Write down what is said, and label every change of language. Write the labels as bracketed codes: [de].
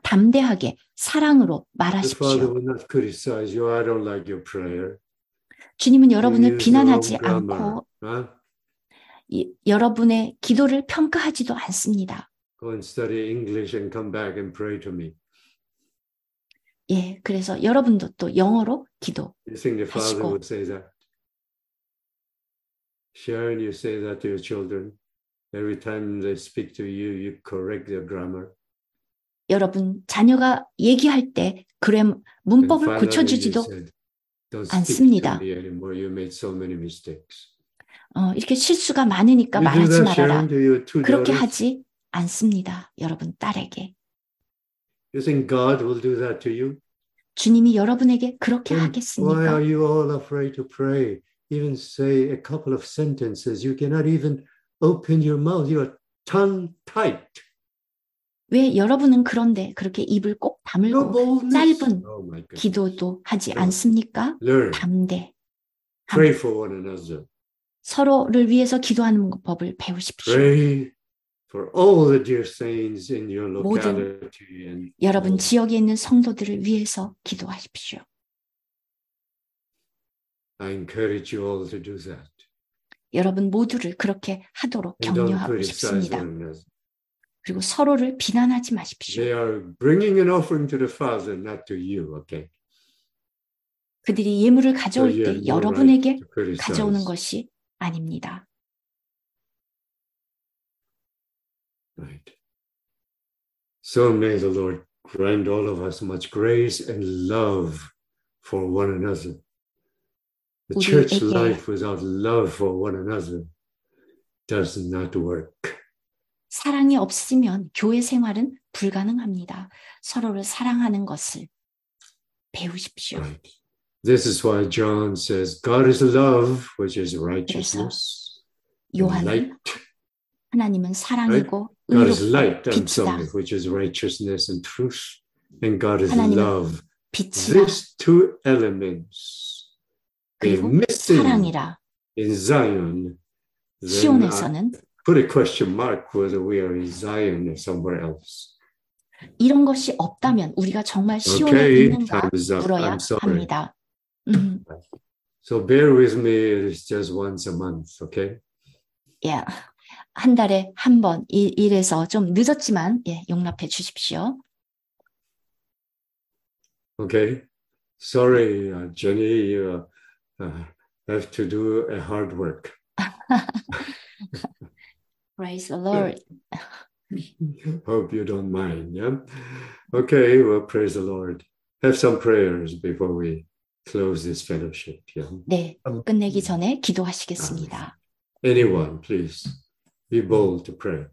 [ko] 담대하게 사랑으로 말하십시오. [en] Like [ko] 주님은 여러분을 비난하지 않고 huh? 여러분의 기도를 평가하지도 않습니다. [en] Go and study English and come back and pray to me. [ko] 예, 그래서 여러분도 또 영어로 기도 [en] You think the Father would say that? Sharon, you say that to your children? Every time they speak to you, you correct their grammar. [ko] 여러분 자녀가 얘기할 때 그램 문법을 고쳐주지도 않습니다. [en] Don't speak to me anymore. You made so many mistakes. [ko] 이렇게 실수가 많으니까 말하지 말아라. 그렇게 하지 않습니다. 여러분 딸에게. [en] You think God will do that to you? [ko] 주님이 여러분에게 그렇게 하겠습니까? [en] Why are you all afraid to pray? Even say a couple of sentences. You cannot even open your mouth. You are tongue-tied. [ko] 왜 여러분은 그런데 그렇게 입을 꼭 다물고 짧은 기도도 하지 않습니까? 담대. [en] Pray for one another. [ko] 서로를 위해서 기도하는 법을 배우십시오. [en] Pray for all the dear saints in your locality. [ko] 모든 여러분 지역에 있는 성도들을 위해서 기도하십시오. [en] I encourage you all to do that. [ko] 여러분 모두를 그렇게 하도록 격려하고 싶습니다. 그리고 서로를 비난하지 마십시오. [en] They are bringing an offering to the Father, not to you, okay? [ko] 그들이 예물을 가져올 때 여러분에게 가져오는 것이 아닙니다. [en] Right. So may the Lord grant all of us much grace and love for one another. The church life without love for one another does not work. [ko] 사랑이 없으면 교회 생활은 불가능합니다. 서로를 사랑하는 것을 배우십시오. [en] Right. This is why John says, God is love, which is righteousness. [ko] 요한은 하나님은 사랑이고 [en] right? [ko] 의롭고 빛이다. [en] God is light, which is righteousness and truth. and God is love. [ko] 빛이라. [en] These two elements are missing [ko] 사랑이라. [en] In Zion. [ko] 시온에서는 [en] put a question mark whether we are in Zion or somewhere else. [ko] 이런 것이 없다면 우리가 정말 시온에 [en] okay, [ko] 있는가 물어야 합니다. [en] So bear with me. It is just once a month, okay? [ko] Yeah, 한 달에 한 번 일해서 좀 늦었지만 예 용납해 주십시오. [en] Okay, sorry, Jenny. Have to do a hard work. Praise the Lord. Hope you don't mind. Yeah. Okay. Well, praise the Lord. Have some prayers before we close this fellowship. Yeah. [ko] 네. 끝내기 전에 기도하시겠습니다. [en] Anyone, please be bold to pray.